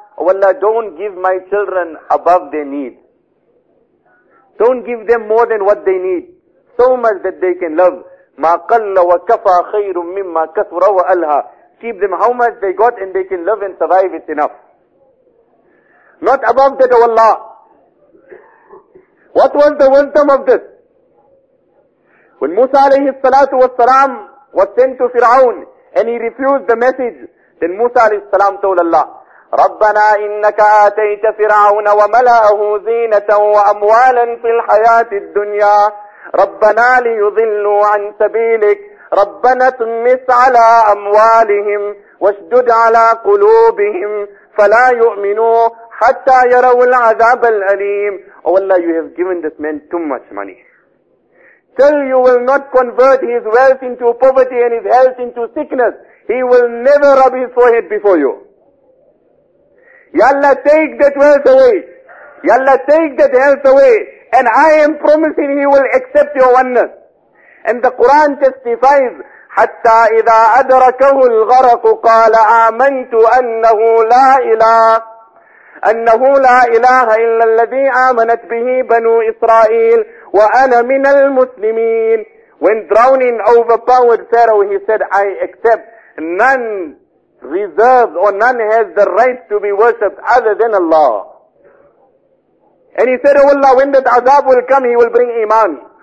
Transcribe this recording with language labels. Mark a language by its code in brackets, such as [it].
[en] Oh Allah, don't give my children above their need. Don't give them more than what they need. So much that they can love. [ar] Ma qalla wa kafa khayrun mimma kathura wa alha. [en] Keep them how much they got and they can love and survive, it's enough. Not above that, O Allah. What was the wisdom of this? When Musa alayhi salatu was salam was sent to Fir'aun and he refused the message, then Musa alayhi salam told Allah, [ar] رَبَّنَا إِنَّكَ آتَيْتَ فِرْعَوْنَ وَمَلَأَهُ زِينَةً وَأَمْوَالًا فِي الْحَيَاةِ الدُّنْيَا رَبَّنَا لِيُضِلُّوا عَن سَبِيلِكَ رَبَّنَا اطْمِسْ عَلَى أَمْوَالِهِمْ وَاشْدُدْ عَلَى قُلُوبِهِمْ فَلَا يُؤْمِنُوا حتى يروا العذاب الأليم. [en] Oh Allah, you have given this man too much money. Till you will not convert his wealth into poverty and his health into sickness, he will never rub his forehead before you. Ya Allah, take that wealth away. Ya Allah, take that health away. And I am promising he will accept your oneness. And the Quran testifies, [ar] حتى إذا أدركه الغرق قال آمنت أنه لا إله أنه لا إله إلا الذي آمنت به بنو إسرائيل وأنا من المسلمين. [en] When drowning, overpowered Pharaoh, he said, I accept none reserved or none has the right to be worshipped other than Allah. And he said, oh Allah, when that azab will come, he will bring iman.